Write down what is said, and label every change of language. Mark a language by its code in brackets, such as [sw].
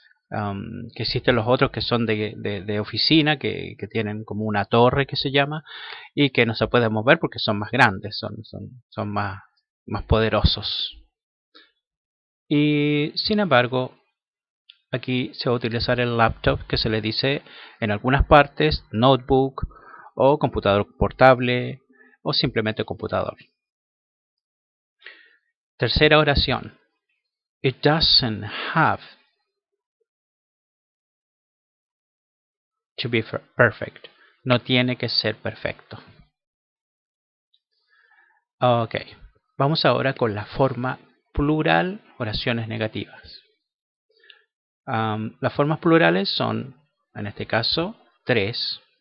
[es] Que existen los otros que son de oficina, que tienen como una torre que se llama, y que no se pueden mover porque son más grandes, son más poderosos. Y sin embargo, aquí se va a utilizar el laptop, que se le dice en algunas partes notebook o computador portable o simplemente computador. Tercera oración. [en] It doesn't have to be perfect. [es] No tiene que ser perfecto. Ok. Vamos ahora con la forma plural, oraciones negativas. Las formas plurales son, en este caso, tres.